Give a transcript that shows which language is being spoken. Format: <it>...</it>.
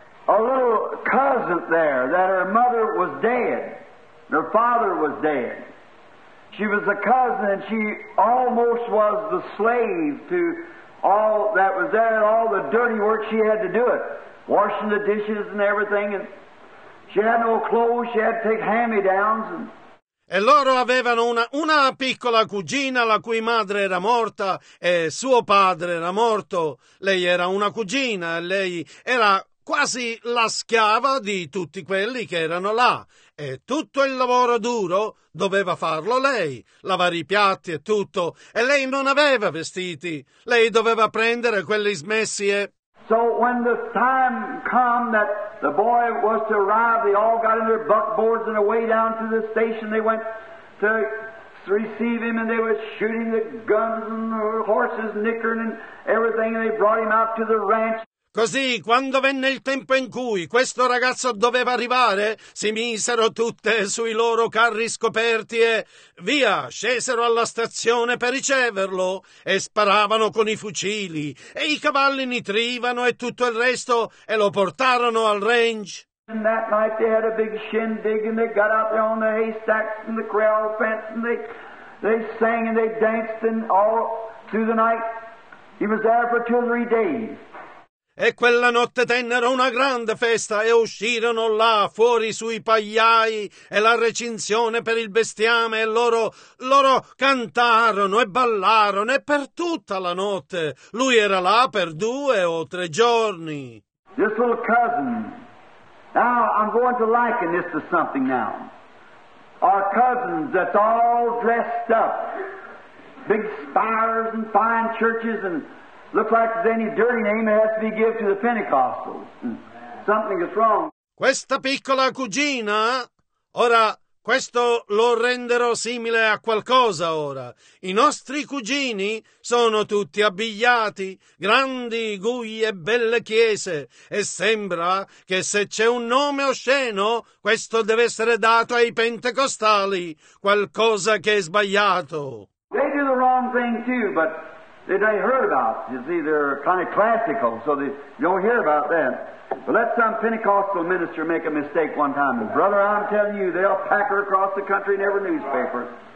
<en>A little cousin there that her mother was dead, her father was dead. She was a cousin and she almost was the slave to all that was there and all the dirty work she had to do it, washing the dishes and everything. And she had no clothes, she had to take hand-me-downs and</en> <it>E loro avevano una piccola cugina la cui madre era morta e suo padre era morto. Lei era una cugina e lei era quasi la schiava di tutti quelli che erano là. E tutto il lavoro duro doveva farlo lei, lavare i piatti e tutto. E lei non aveva vestiti. Lei doveva prendere quelli smessi e...</it> <en>So when the time come that the boy was to arrive, they all got in their buckboards and away down to the station they went to receive him, and they were shooting the guns and the horses nickering and everything, and they brought him out to the ranch.</en> <it>Così, quando venne il tempo in cui questo ragazzo doveva arrivare, si misero tutte sui loro carri scoperti e via, scesero alla stazione per riceverlo e sparavano con i fucili e i cavalli nitrivano e tutto il resto e lo portarono al range.</it> <en>And that night they had a big shindig and they got out there on the haystacks and the corral fence and they sang and they danced and all through the night. He was there for two or three days.</en> <it>E quella notte tennero una grande festa e uscirono là fuori sui pagliai e la recinzione per il bestiame e loro cantarono e ballarono e per tutta la notte. Lui era là per due o tre giorni.</it> <en>This little cousin, now I'm going to liken this to something now. Our cousins that's all dressed up, big spires and fine churches and looks like there's any dirty name that has to be given to the Pentecostals. Something is wrong.</en> <it>Questa piccola cugina, ora questo lo renderò simile a qualcosa ora. I nostri cugini sono tutti abbigliati, grandi guglie e belle chiese, e sembra che se c'è un nome osceno, questo deve essere dato ai pentecostali. Qualcosa che è sbagliato.</it> <en>They do the wrong thing too, but They heard about. You see, they're kind of classical, so they don't hear about that. But let some Pentecostal minister make a mistake one time. Brother, I'm telling you, they'll pack her across the country in every newspaper.</en>